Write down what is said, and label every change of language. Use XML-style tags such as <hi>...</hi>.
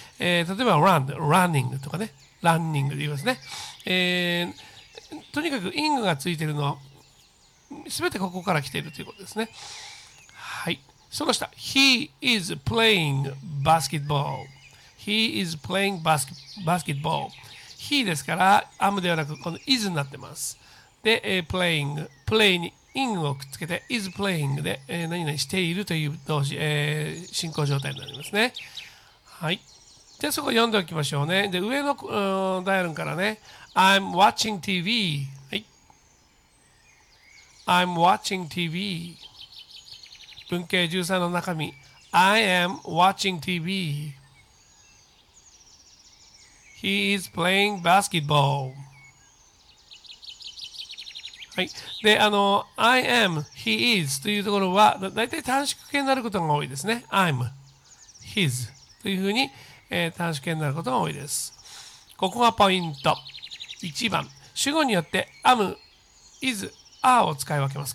<ja>例えば run、running とかね、running で言いますね。とにかく ing がついているのは全てここから来ているということですね。</ja> <en>はい、その下、 He is playing basketball。 He is playing basketball。</en> <ja>He ですから am ではなくこの is になってます。で、playing、 play に ing をくっつけて is playing で、何々しているという動詞、進行状態になりますね。はい、じゃあそこ読んでおきましょうね。で、上のダイアルからね、</ja> <en>I'm watching TV。</en> <ja>はい、</ja> <en>I'm watching TV。</en> <ja>文系13の中身、</ja> <en>I am watching TV。 He is playing basketball。</en> <ja>はい、で、I am、 He is というところは だいたい短縮形になることが多いですね。 I'm、 His というふうに、短縮形になることが多いです。ここがポイント。1番、主語によって am、 is、 are を使い分けます。</ja>